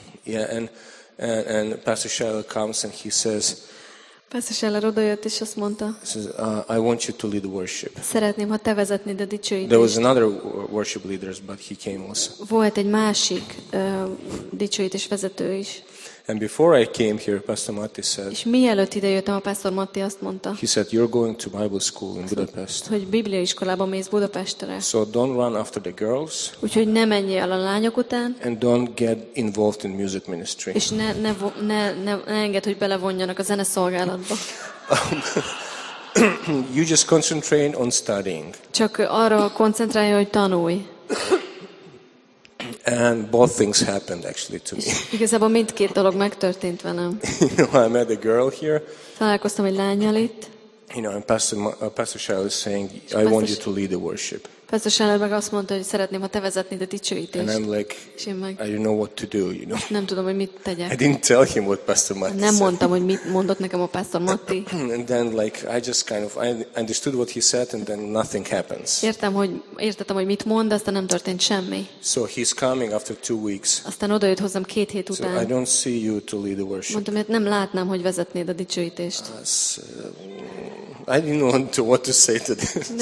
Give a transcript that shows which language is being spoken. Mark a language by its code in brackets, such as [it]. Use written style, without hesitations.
[en] Yeah, and Pastor Shaila comes and he says. [hu] Pastor Scheller odajött és azt mondta. [en] I want you to lead worship. [hu] Szeretném, ha te vezetnéd a dicsőítést. [en] There was another worship leader, but he came also. [hu] Volt egy másik dicsőítés vezető is. [en] And before I came here, Pastor Matti said. [hu] És mielőtt idejöttem, a Pastor Matti azt mondta. [en] He said, you're going to Bible school in Budapest. [hu] Hogy bibliaiskolába mész Budapestre. [en] So don't run after the girls. [hu] Úgyhogy ne menjél a lányok után. [en] And don't get involved in music ministry. [hu] És ne engedd, hogy belevonjanak a zeneszolgálatba. [en] You just concentrate on studying. [hu] Csak arra koncentrálj, hogy tanulj. [en] And both things happened actually to me. [hu] Igazából mindkét dolog megtörtént velem. [en] You know, I met a girl here. [hu] Találkoztam egy lányjal itt. [en] You know, and Pastor Shaila is saying, I want you to lead the worship. [hu] Pastor Shaila meg azt mondta, hogy szeretném, ha te vezetnéd a dicsőítést. [en] And I'm like, I don't know what to do, you know. [hu] Nem tudom, hogy mit tegyek. [en] I didn't tell him what Pastor Matti said. [hu] Nem mondtam, hogy mit mondott nekem a Pastor Matti. [en] And then like, I just kind of, I understood what he said and then nothing happens. [hu] Értettem, hogy mit mond, aztán nem történt semmi. [en] So he's coming after 2 weeks. [hu] Aztán odajött hozzám két hét után. [en] So I don't see you to lead the worship. [hu] Mondtam, hogy nem látnám, hogy vezetnéd a dicsőítést. [en] I didn't know what to say to this.